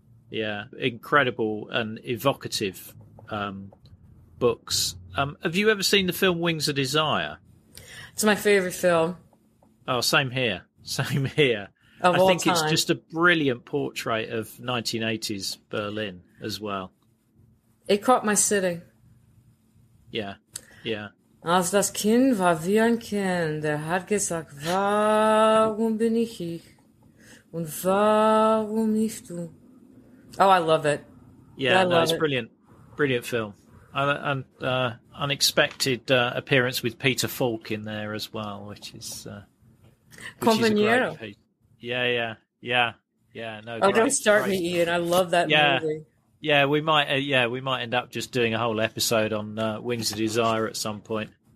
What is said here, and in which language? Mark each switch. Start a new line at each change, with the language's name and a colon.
English: Yeah, incredible and evocative books. Have you ever seen the film Wings of Desire? It's my favorite film. Oh, same here. Same here. Of all time. It's just a brilliant portrait of 1980s Berlin as well. It caught my sitting. Yeah, yeah.
German: Als das Kind war wie ein Kind, der hat gesagt, warum bin ich hier und warum nicht du?
English: Oh, I love it. Yeah, no, it's brilliant. Brilliant film. And unexpected appearance with Peter Falk in there as well, which is a great piece. Yeah. No, oh, don't start me, Ian. I love that movie. Yeah, we might end up just doing a whole episode on Wings of Desire at some point.